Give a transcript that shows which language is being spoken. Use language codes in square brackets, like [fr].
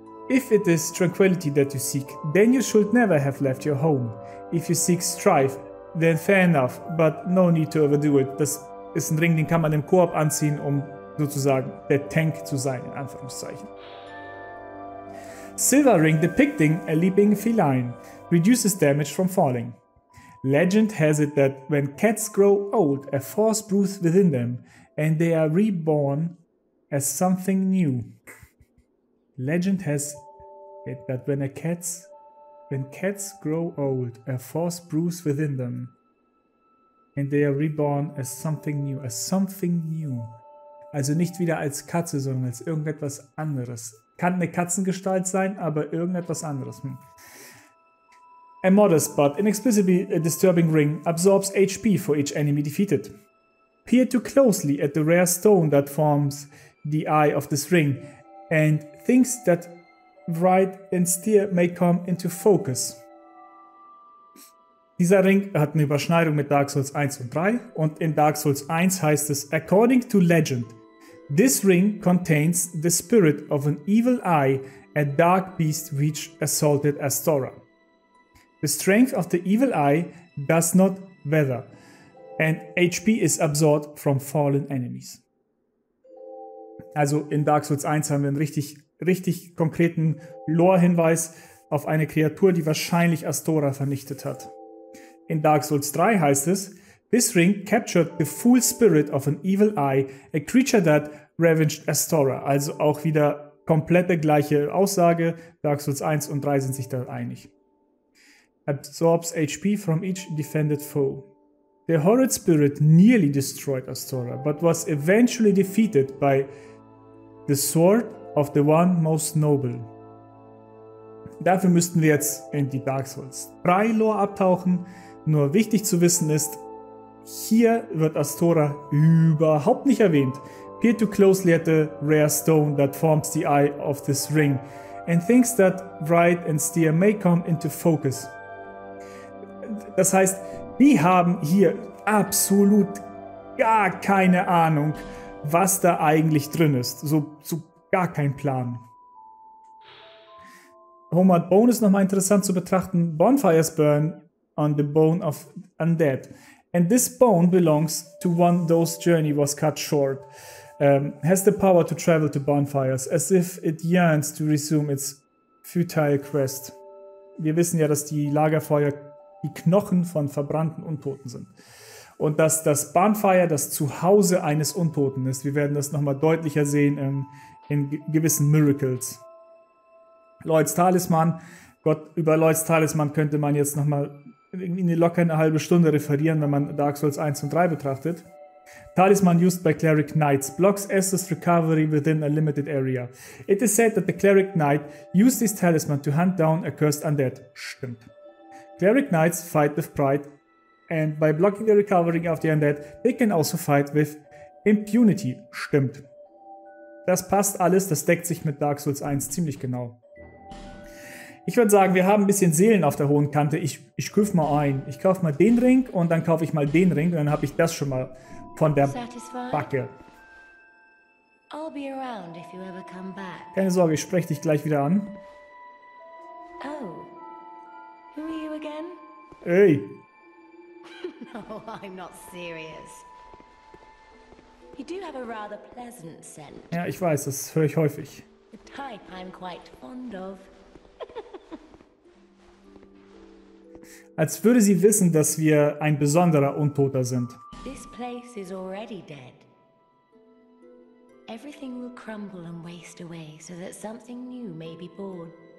[en] If it is tranquility that you seek, then you should never have left your home. If you seek strife, then fair enough, but no need to overdo it. [de] Das ist ein Ring, den kann man im Koop anziehen, um sozusagen der Tank zu sein, in Anführungszeichen. [en] Silver Ring depicting a leaping feline reduces damage from falling. Legend has it that when cats grow old, a force brews within them and they are reborn as something new. Legend has it that when cats grow old, a force brews within them and they are reborn as something new. As something new. [de] Also nicht wieder als Katze, sondern als irgendetwas anderes. Kann eine Katzengestalt sein, aber irgendetwas anderes. [en] A modest but inexplicably disturbing ring absorbs HP for each enemy defeated. Peer too closely at the rare stone that forms the eye of this ring and things that bright and steer may come into focus. [de] Dieser Ring hat eine Überschneidung mit Dark Souls 1 und 3 und in Dark Souls 1 heißt es, [en] according to legend, this ring contains the spirit of an evil eye, a dark beast which assaulted Astora. The strength of the evil eye does not wither, and HP is absorbed from fallen enemies. [de] Also in Dark Souls 1 haben wir einen richtig, richtig konkreten Lore-Hinweis auf eine Kreatur, die wahrscheinlich Astora vernichtet hat. In Dark Souls 3 heißt es, [en] this ring captured the full spirit of an evil eye, a creature that ravaged Astora. [de] Also auch wieder komplette gleiche Aussage, Dark Souls 1 und 3 sind sich da einig. [en] Absorbs HP from each defended foe. The horrid spirit nearly destroyed Astora, but was eventually defeated by the sword of the one most noble. [de] Dafür müssten wir jetzt in die Dark Souls 3 Lore abtauchen. Nur wichtig zu wissen ist, hier wird Astora überhaupt nicht erwähnt. [en] Peer too closely at the rare stone that forms the eye of this ring and thinks that bright and steer may come into focus. [de] Das heißt, die haben hier absolut gar keine Ahnung, was da eigentlich drin ist. So gar kein Plan. Homeward Bone ist nochmal interessant zu betrachten. [en] Bonfires burn on the bone of undead. And this bone belongs to one whose journey was cut short. Has the power to travel to bonfires, as if it yearns to resume its futile quest. [de] Wir wissen ja, dass die Lagerfeuer die Knochen von verbrannten Untoten sind. Und dass das Bonfire das Zuhause eines Untoten ist. Wir werden das nochmal deutlicher sehen in gewissen Miracles. Lloyds Talisman. Gott, über Lloyds Talisman könnte man jetzt nochmal irgendwie eine locker eine halbe Stunde referieren, wenn man Dark Souls 1 und 3 betrachtet. [en] Talisman used by Cleric Knights blocks Estus recovery within a limited area. It is said that the Cleric Knight used this talisman to hunt down a cursed undead. [de] Stimmt. [en] Cleric Knights fight with pride and by blocking the recovery of the undead, they can also fight with impunity. [de] Stimmt. Das passt alles, das deckt sich mit Dark Souls 1 ziemlich genau. Ich würde sagen, wir haben ein bisschen Seelen auf der hohen Kante. Ich kauf mal ein. Ich kaufe mal den Ring und dann kaufe ich mal den Ring und dann habe ich das schon mal von der Backe. [en] I'll be around if you ever come back. [de] Keine Sorge, ich spreche dich gleich wieder an. [en] Oh. Who are you again? Hey. No, I'm not serious. You do have a rather pleasant scent. [de] Ja, ich weiß, das höre ich häufig. [en] The type I'm quite fond of. [de] Als würde sie wissen, dass wir ein besonderer Untoter sind. [en] This place is already dead. Everything will crumble and waste away, so that something new may be born.